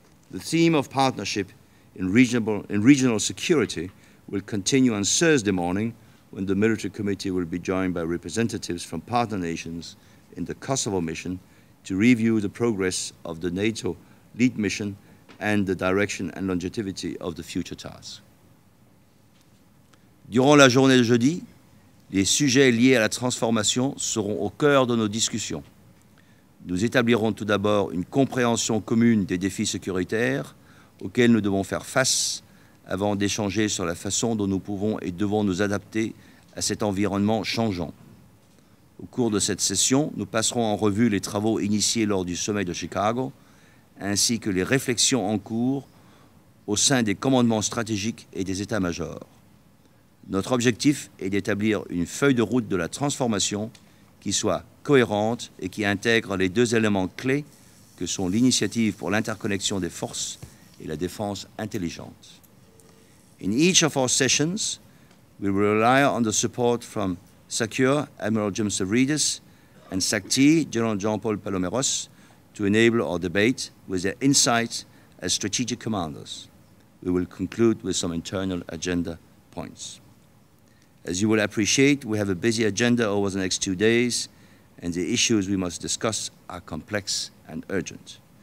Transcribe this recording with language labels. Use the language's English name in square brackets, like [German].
[English] The theme of partnership in regional security will continue on Thursday morning, when the Military Committee will be joined by representatives from partner nations in the Kosovo mission to review the progress of the NATO lead mission and the direction and longevity of the future tasks. [French] Durant la journée de jeudi, les sujets liés à la transformation seront au cœur de nos discussions. Nous établirons tout d'abord une compréhension commune des défis sécuritaires auxquels nous devons faire face avant d'échanger sur la façon dont nous pouvons et devons nous adapter à cet environnement changeant. Au cours de cette session, nous passerons en revue les travaux initiés lors du sommet de Chicago, ainsi que les réflexions en cours au sein des commandements stratégiques et des états-majors. Notre objectif est d'établir une feuille de route de la transformation qui soit cohérente et qui intègre les deux éléments clés que sont l'initiative pour l'interconnexion des forces et la défense intelligente. [English] In each of our sessions, we will rely on the support from SACUR, Admiral Jim Savridis, and SACTI, General Jean-Paul Palomeros, to enable our debate with their insights as strategic commanders. We will conclude with some internal agenda points. As you will appreciate, we have a busy agenda over the next 2 days, and the issues we must discuss are complex and urgent.